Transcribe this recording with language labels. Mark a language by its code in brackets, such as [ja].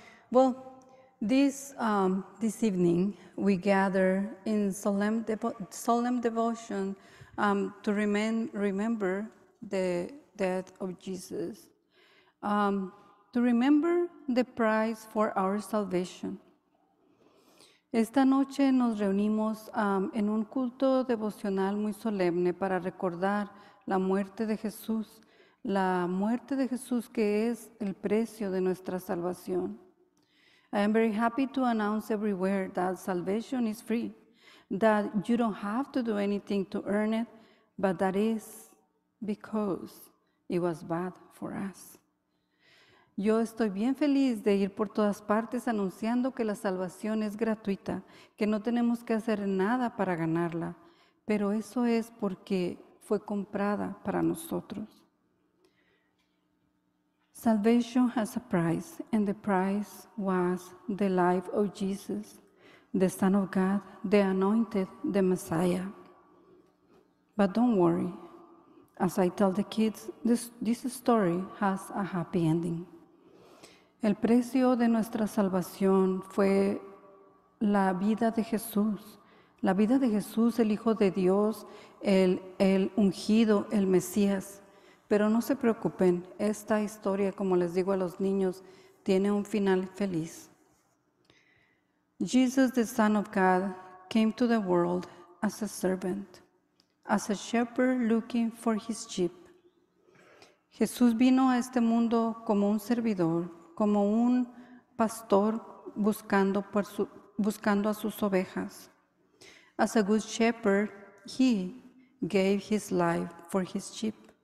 [en] Well, this evening we gather in solemn devotion to remember the death of Jesus, to remember the price for our salvation. [es] Esta noche nos reunimos en un culto devocional muy solemne para recordar la muerte de Jesús, la muerte de Jesús que es el precio de nuestra salvación. [en] I am very happy to announce everywhere that salvation is free, that you don't have to do anything to earn it, but that is because it was bad for us. [es] Yo estoy bien feliz de ir por todas partes anunciando que la salvación es gratuita, que no tenemos que hacer nada para ganarla, pero eso es porque fue comprada para nosotros. [en] Salvation has a price, and the price was the life of Jesus, the Son of God, the Anointed, the Messiah. But don't worry, as I tell the kids, this story has a happy ending. [es] El precio de nuestra salvación fue la vida de Jesús. La vida de Jesús, el Hijo de Dios, el ungido, el Mesías. Pero no se preocupen, esta historia, como les digo a los niños, tiene un final feliz. [en] Jesus, the Son of God, came to the world as a servant, as a shepherd looking for his sheep. [es] Jesús vino a este mundo como un servidor, como un pastor buscando a sus ovejas. [en] As a good shepherd, he gave his life for his sheep.